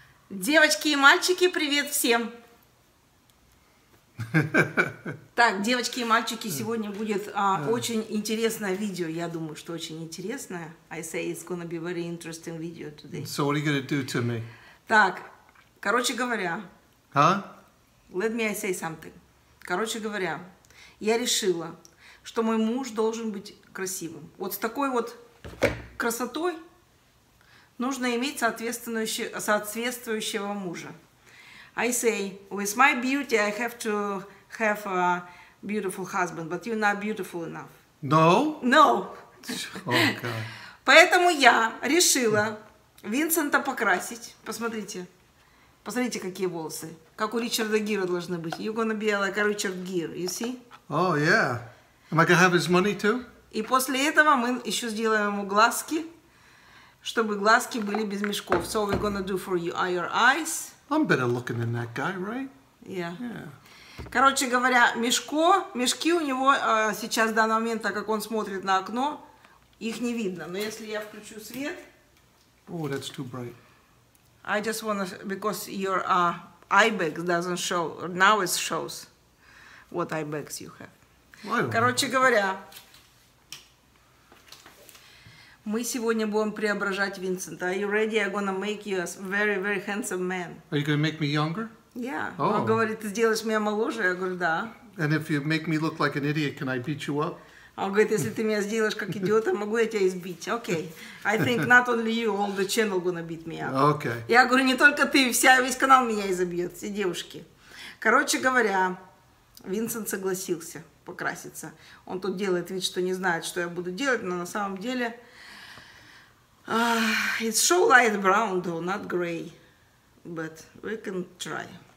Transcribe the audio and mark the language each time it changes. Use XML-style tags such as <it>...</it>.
<ru>Девочки и мальчики, привет всем! Так, девочки и мальчики, сегодня будет очень интересное видео. Я думаю, что очень интересное.</ru> <en>I say it's gonna be very interesting video today. So what are you gonna do to me?</en> <ru>Так, короче говоря... Huh?</ru> <en>Let me say something.</en> <ru>Короче говоря, я решила, что мой муж должен быть красивым. Вот с такой вот красотой нужно иметь соответствующего мужа.</ru> <en>I say, with my beauty, I have to have a beautiful husband, but you're not beautiful enough. No? No. Oh, God.</en> <ru>Поэтому я решила Винсента покрасить. Посмотрите. Посмотрите, какие волосы. Как у Ричарда Гира должны быть.</ru> <en>You're gonna be like a Richard Gere, you see? Oh, yeah. Am I gonna have his money too?</en> <ru>И после этого мы еще сделаем ему глазки. Чтобы глазки были без мешков.</ru> <en>So we're gonna do for you your eyes. I'm better looking than that guy, right? Yeah. Yeah.</en> <ru>Короче говоря, мешки у него сейчас в данный момент, так как он смотрит на окно, их не видно. Но если я включу свет...</ru> <en>Oh, that's too bright. I just wanna... Because your eye bags doesn't show... Now it shows what eye bags you have.</en> <ru>Короче говоря... Мы сегодня будем преображать Винсента.</ru> <en>Are you ready? I'm gonna make you a very, very handsome man. Are you gonna make me younger? Yeah.</en> <ru>Oh. Он говорит, ты сделаешь меня моложе. Я говорю, да.</ru> <en>And if you make me look like an idiot, can I beat you up?</en> <ru>Он говорит, если ты меня сделаешь как идиота, могу я тебя избить.</ru> <en>Okay. I think not only you, all the channel gonna beat me up. Okay.</en> <ru>Я говорю, не только ты, весь канал меня изобьет, все девушки. Короче говоря, Винсент согласился покраситься. Он тут делает вид, что не знает, что я буду делать, но на самом деле...</ru> <en>it's so light brown though, not gray, but we can try.</en>